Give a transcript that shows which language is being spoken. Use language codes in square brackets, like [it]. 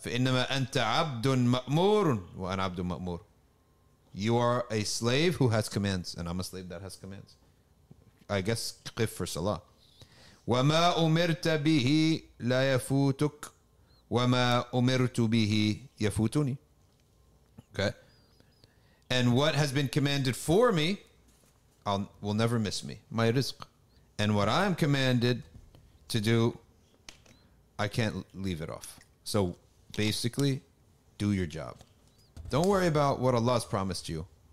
[ar] فإنما أنت عبد مأمور, وأنا عبد مأمور. [en] You are a slave who has commands, and I'm a slave that has commands. I guess قف for salah. [ar] وما أمرت به لا يفوتك وما أمرت به يفوتني. [en] Okay. And what has been commanded for me will never miss me. My rizq. And what I am commanded to do, I can't leave it off. So basically, do your job. Don't worry about what Allah's promised you.